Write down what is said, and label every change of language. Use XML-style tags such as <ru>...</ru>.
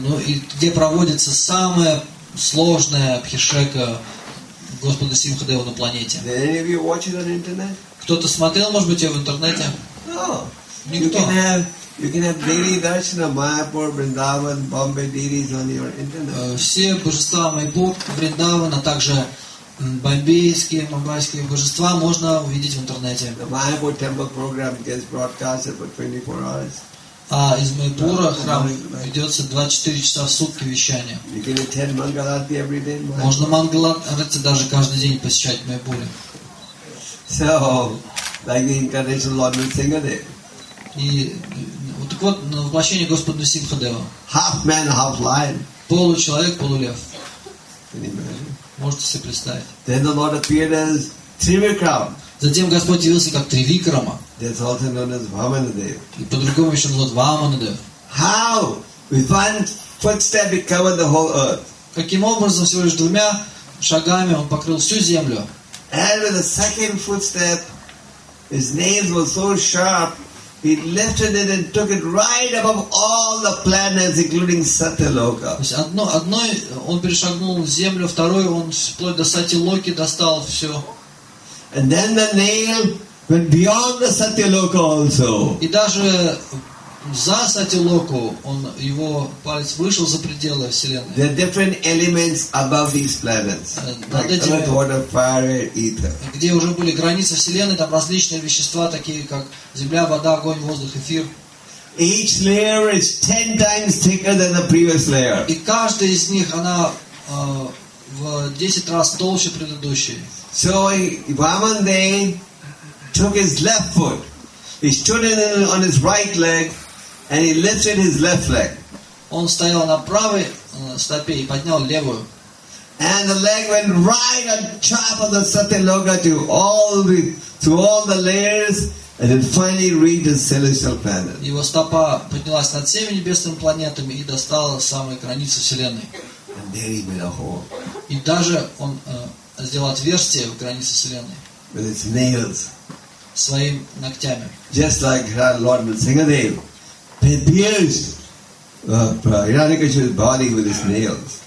<ru>Ну и где проводится самая сложная Абхишека Господа Симхадева на планете.</ru> <en>Did any of you watch it on internet?</en> <ru>Кто-то смотрел, может быть, ее в интернете?</ru> <en>No.</en> <ru>Никто.</ru> <en>You can have daily darshan of Mayapur, Vrindavan, Bombay deities on your internet.</en> <ru>Все божества Майпур, Вриндавана, а также бомбейские, мумбайские божества можно увидеть в интернете.</ru> <en>The Mayapur temple program gets broadcasted for 24 hours.</en> <ru>А из Майпура храм ведется 24 часа в сутки вещание.</ru> <en>You can attend Mangalarti every day.</en> <ru>Можно Мангаларти даже каждый день посещать в Майпуре.</ru> <en>So, like the incarnation of Lord Nrsimhadev.</en> <ru>И вот так вот на воплощение Господа Нрсимхадева.</ru> <en>Half man, half lion.</en> <ru>Получеловек, полулев.</ru> <en>Can you imagine?</en> <ru>Можете себе представить.</ru> <en>Then the Lord appeared as Trivikram.</en> <ru>Затем Господь явился как Тривикрама.</ru> <en>That's also known as Vamanadev.</en> <ru>И по-другому еще назвал Вамандев.</ru> <en>How? With one footstep he covered the whole earth.</en> <ru>Каким образом, всего лишь двумя шагами он покрыл всю землю.</ru> <en>And with a second footstep, his nails were so sharp. He lifted it and took it right above all the planets, including Satyaloka.</en> <ru>Одной он перешагнул землю, второй он вплоть до Сатилоки достал все.</ru> <en>And then the nail And beyond the Satyaloka also.</en> <ru>И даже за Сатилоку он его палец вышел за пределы вселенной.</ru> <en>There are different elements above these planets. Like earth, water, fire, ether.</en> <ru>Где уже были границы вселенной, там различные вещества такие как земля, вода, огонь, воздух, эфир.</ru> <en>Each layer is 10 times thicker than the previous layer.</en> <ru>И каждая из них она в 10 раз толще предыдущей.</ru> <en>So Vamandev took his left foot. He stood on his right leg and he lifted his left leg.</en> <ru>Он стоял на правой стопе и поднял левую.</ru> <en>And the leg went right on top of the Satyaloka to all the through all the layers. And then finally reached the celestial planet.</en> <ru>Его стопа поднялась над всеми небесными планетами и достала самые границы вселенной.</ru> <en>And there he made a hole.</en> <ru>И даже он сделал отверстие в границе вселенной.</ru> <en>With his nails.</en> <ru>Своими ногтями.</ru> <en>Just like our Lord Nrsingadev, he pierced Hiranyakashipu's body with his nails.</en>